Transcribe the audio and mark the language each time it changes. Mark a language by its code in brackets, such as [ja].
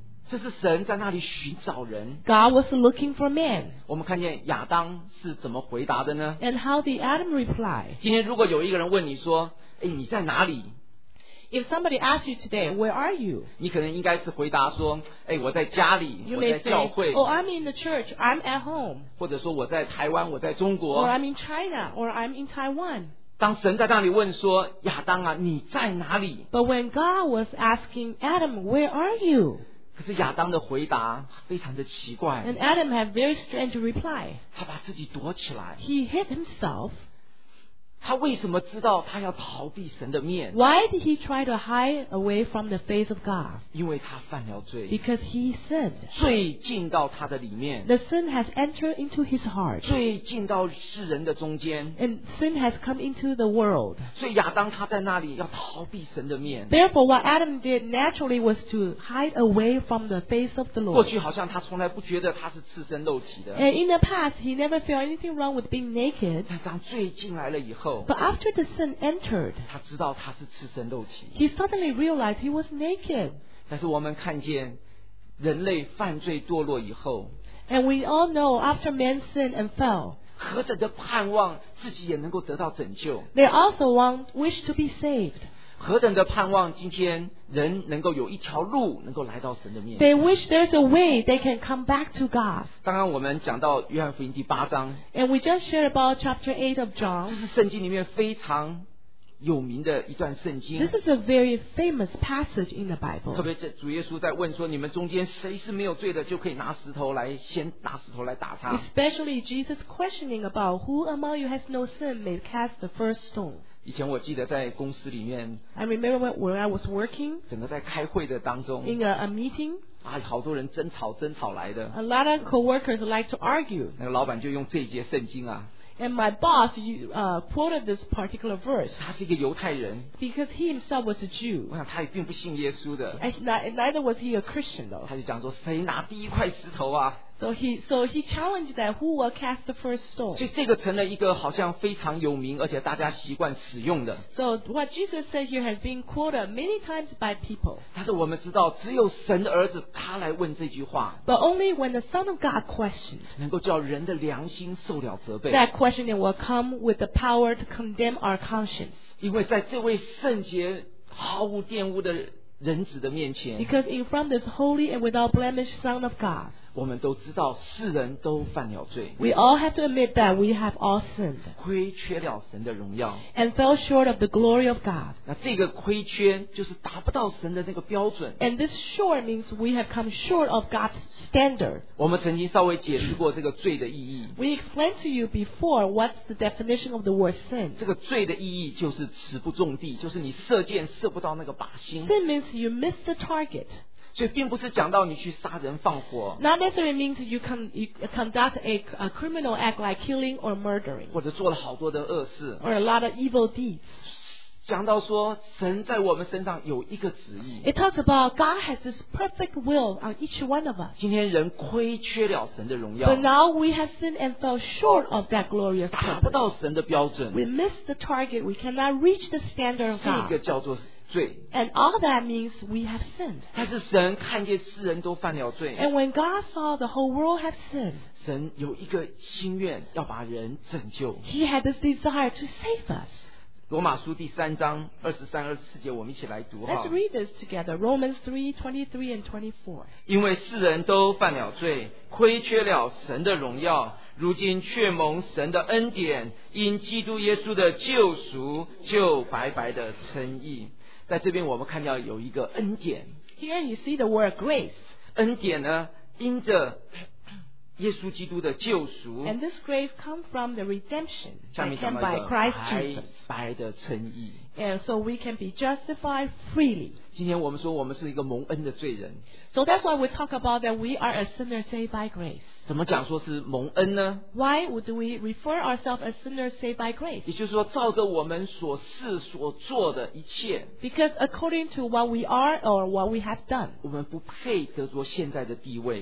[zh] 这是神在那里寻找人。 [en] God was looking for man. [zh] 我们看见亚当是怎么回答的呢？ [en] And how did Adam reply? [zh] 今天如果有一个人问你说，诶，你在哪里？ [en] If somebody asks you today, where are you? [zh] 你可能应该是回答说，哎，我在家里，我在教会。 [en] You may say, oh, I'm in the church, I'm at home. [zh] 或者说我在台湾，我在中国。 [en] Or I'm in China, or I'm in Taiwan. [zh] 当神在那里问说，亚当啊，你在哪里？ [en] But when God was asking Adam, where are you? [zh] 可是亚当的回答非常的奇怪。 [en] And Adam had very strange reply. [zh] 他把自己躲起来。 [en] He hid himself. [zh] 他为什么知道他要逃避神的面？ [en] Why did he try to hide away from the face of God? [zh] 因为他犯了罪。 [en] Because he sinned. [zh] 罪进到他的里面。 [en] The sin has entered into his heart. [zh] 罪进到世人的中间。 [en] And sin has come into the world. [zh] 所以亚当他在那里要逃避神的面。 [en] Therefore, what Adam did naturally was to hide away from the face of the Lord. [zh] 过去好像他从来不觉得他是赤身肉体的。 [en] And in the past, he never felt anything wrong with being naked. [zh] 但当罪进来了以后， [en] But after the sin entered, [zh] 他知道他是赤身肉体。 [en] He suddenly realized he was naked. [zh] 但是我们看见人类犯罪堕落以后， [en] And we all know after man sinned and fell, [zh] 何等的盼望自己也能够得到拯救。 [en] They also wish to be saved. [zh] 何等的盼望今天人能够有一条路能够来到神的面前。 [en] They wish there's a way they can come back to God. [zh] 刚刚我们讲到约翰福音第八章， [en] And we just shared about chapter 8 of John. [zh] 这是圣经里面非常有名的一段圣经。 [en] This is a very famous passage in the Bible. [zh] 特别是主耶稣在问说，你们中间谁是没有罪的，就可以拿石头来，先拿石头来打他。 [en] Especially Jesus questioning about who among you has no sin may cast the first stone. [zh] 以前我记得在公司里面， [en] I remember when I was working, [zh] 整个在开会的当中， [en] in a meeting, [zh] 啊，好多人争吵争吵来的， [en] a lot of co-workers like to argue, [zh] 那个老板就用这一节圣经啊， [en] and my boss quoted this particular verse, [zh] 他是一个犹太人， [en] because he himself was a Jew, [zh] 我想他也并不信耶稣的， [en] neither was he a Christian though, [zh] 他就讲说，谁拿第一块石头啊。 [en] So he challenged that who will cast the first stone. [zh] 所以这个成了一个好像非常有名，而且大家习惯使用的。 [en] So what Jesus said here has been quoted many times by people. [zh] 但是我们知道，只有神的儿子他来问这句话。 [en] But only when the Son of God questioned. [zh] 能够叫人的良心受了责备。 [en] That questioning will come with the power to condemn our conscience. [zh] 因为在这位圣洁毫无玷污的人子的面前。 [en] Because in front of this holy and without blemish Son of God. [zh] 我们都知道世人都犯了罪。 [en] We all have to admit that we have all sinned. [zh] 亏缺了神的荣耀。 [en] And fell short of the glory of God. [zh] 那这个亏缺就是达不到神的那个标准。 [en] And this short means we have come short of God's standard. [zh] 我们曾经稍微解释过这个罪的意义。 [en] We explained to you before what's the definition of the word sin. [zh] 这个罪的意义就是尺不中地，就是你射箭射不到那个靶心。 [en] Sin means you miss the target. [zh] 所以并不是讲到你去杀人放火。 [en] Not necessarily means you conduct a criminal act like killing or murdering. [zh] 或者做了好多的恶事。 [en] Or a lot of evil deeds. [zh] 讲到说神在我们身上有一个旨意。 [en] It talks about God has this perfect will on each one of us. [zh] 今天人亏缺了神的荣耀。 [en] But now we have sinned and fell short of that glorious [zh] God. 达不到神的标准。 [en] We missed the target. We cannot reach the standard of God. [zh] 这个叫做 [en] And all that means we have sinned. [zh] 但是神看见世人都犯了罪。 [en] And when God saw the whole world have sinned, [zh] 神有一个心愿要把人拯救。 [en] He had this desire to save us. [zh] 罗马书第三章二十三、二十四节，我们一起来读。 [en] Let's read this together. Romans 3:23-24. [zh] 因为世人都犯了罪，亏缺了神的荣耀。如今却蒙神的恩典，因基督耶稣的救赎，就白白的称义。在这边我们看到有一个恩典。 [en] Here you see the word grace. [zh] 恩典呢，因着耶稣基督的救赎。 [en] And this grace comes from the redemption that came by Christ Jesus. [zh] 白白的称义。 [en] And so we can be justified freely. [zh] 今天我们说我们是一个蒙恩的罪人。 [en] So that's why we talk about that we are a sinner saved by grace. [zh] 怎么讲说是蒙恩呢？ [en] Why would we refer ourselves as sinner saved by grace? [zh] 也就是说照着我们所事所做的一切。 [en] Because according to what we are or what we have done. [zh] 我们不配得着现在的地位。